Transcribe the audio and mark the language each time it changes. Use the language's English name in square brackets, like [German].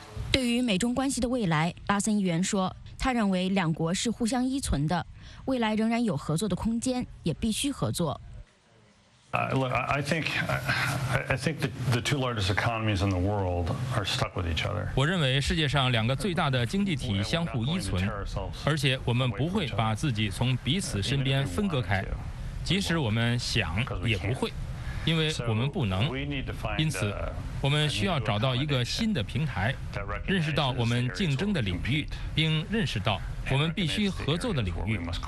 [Chinese] 对于美中关系的未来，拉森议员说，他认为两国是互相依存的，未来仍然有合作的空间，也必须合作。 [English] I think the two largest economies in the world are stuck with each other. [Chinese] 我认为世界上两个最大的经济体相互依存，而且我们不会把自己从彼此身边分割开，即使我们想也不会，因为我们不能。因此我们需要找到一个新的平台，认识到我们竞争的领域，并认识到我们必须合作的领域。